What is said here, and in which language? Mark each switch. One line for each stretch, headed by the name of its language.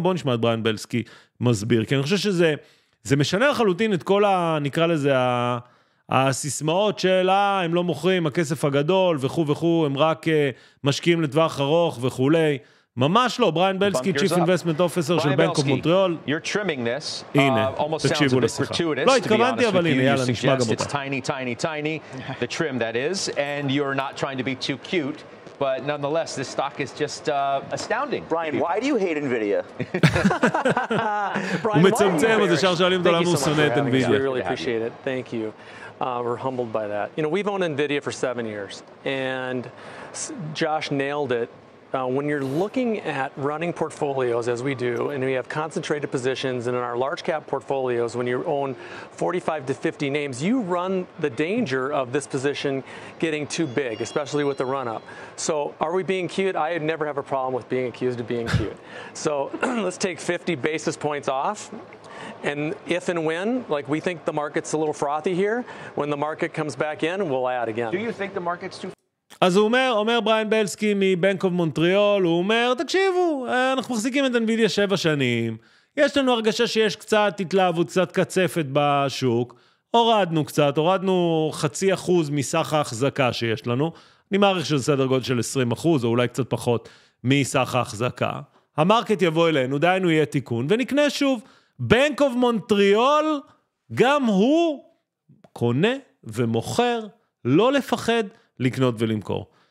Hebrew: בואו נשמע את בריין בלסקי מסביר. כי אני חושב שזה, זה משנה לחלוטין את כל ה, נקרא לזה, הסיסמאות של, הם לא מוכרים, הכסף הגדול וכו וכו, הם רק משקיעים לטווח ארוך וכולי. ממש לא, בריין בלסקי,
English: Chief Investment Officer
Hebrew: של בנק אוף מונטריאול. הנה, תקשיבו לשיחה. לא התכוונתי, אבל הנה, יאללה, נשמע גם אותה.
English: It's tiny, tiny, tiny, the trim that is, and you're not trying to be too cute, but nonetheless, this stock is just astounding. Brian, why do you hate NVIDIA?
Hebrew: הוא מצמצם, אז אפשר שואלים אותו למה הוא שונא את NVIDIA.
English: We really appreciate it, thank you. We're humbled by that. You know, we've owned NVIDIA for 7 years, and Josh nailed it. When you're looking at running portfolios as we do, and we have concentrated positions and in our large cap portfolios, when you own 45 to 50 names, you run the danger of this position getting too big, especially with the run up. So are we being cute? I never have a problem with being accused of being cute. So let's take 50 basis points off. And if and when, like we think the market's a little frothy here, when the market comes back in, we'll add again. Do you think the market's too...
Hebrew: אז הוא אומר, אומר בריין בלסקי מבנק אוף מונטריאול, הוא אומר, תקשיבו, אנחנו מחזיקים את NVIDIA 7 שנים, יש לנו הרגשה שיש קצת התלהבות, קצת קצפת בשוק, הורדנו קצת, הורדנו 0.5% מסך ההחזקה שיש לנו, אני מעריך שזה סדר גודל של 20%, או אולי קצת פחות מסך ההחזקה, המרקט יבוא אלינו, דיינו יהיה תיקון, ונקנה שוב, בנק אוף מונטריאול, גם הוא קונה ומוכר, לא לפחד, לקנות ולמכור.